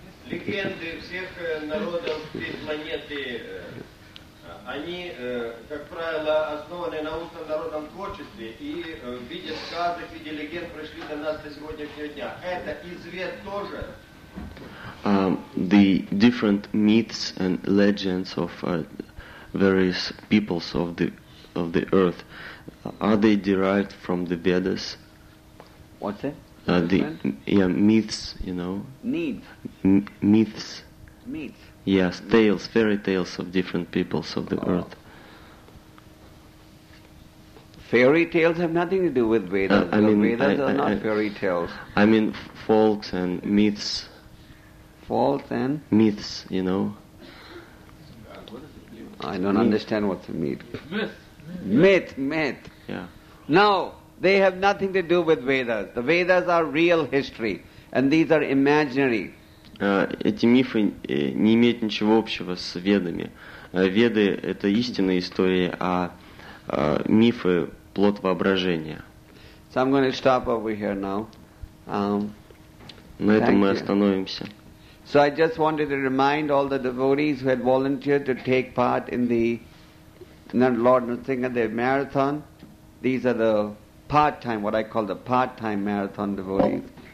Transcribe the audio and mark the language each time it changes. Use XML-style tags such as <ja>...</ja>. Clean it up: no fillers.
<ru>Легенды всех народов всей планеты, они, как правило, основаны на устном народном творчестве и в виде сказок, в виде легенд пришли до нас до сегодняшнего дня. Это извет тоже?</ru> <en>The different myths and legends of various peoples of the earth, are they derived from the Vedas? What's that? Myths, you know. Needs. Myths. Myths. Yes, tales, fairy tales of different peoples of the earth. Fairy tales have nothing to do with Vedas. Vedas are not fairy tales. I mean folks and myths. Folks and? Myths, you know. I don't understand what's a myth. Myth. Myth. Yeah. Now, they have nothing to do with Vedas. The Vedas are real history, and these are imaginary.</en> <ru>Эти мифы не имеют ничего общего с Ведами. Веды – это истинная история, а мифы – плод воображения.</ru> <en>So I'm going to stop over here now.</en> <ru>На этом мы остановимся.</ru> <en>So I just wanted to remind all the devotees who had volunteered to take part in the Lord Nrisingadev marathon. These are the part-time, what I call the part-time marathon devotees.</en>